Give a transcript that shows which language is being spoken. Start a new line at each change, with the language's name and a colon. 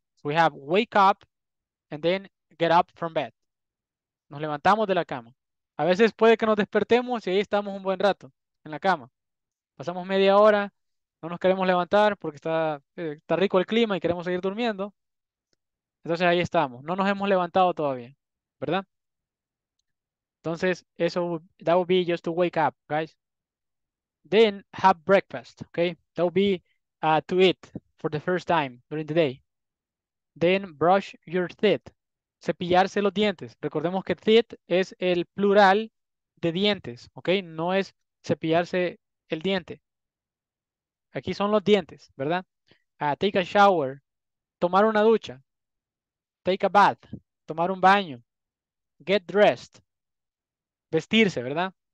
English: So we have wake up and then get up from bed.
Spanish: Nos levantamos de la cama. A veces puede que nos despertemos y ahí estamos un buen rato en la cama. Pasamos media hora, no nos queremos levantar porque está rico el clima y queremos seguir durmiendo. Entonces ahí estamos, no nos hemos levantado todavía, ¿verdad? Entonces eso,
English: that would be just to wake up, guys. Then have breakfast, okay? That would be to eat for the first time during the day. Then brush your teeth.
Spanish: Cepillarse los dientes. Recordemos que teeth es el plural de dientes, ¿ok? No es cepillarse el diente. Aquí son los dientes, ¿verdad?
English: Take a shower,
Spanish: tomar una ducha.
English: Take a bath,
Spanish: tomar un baño.
English: Get dressed,
Spanish: vestirse, ¿verdad?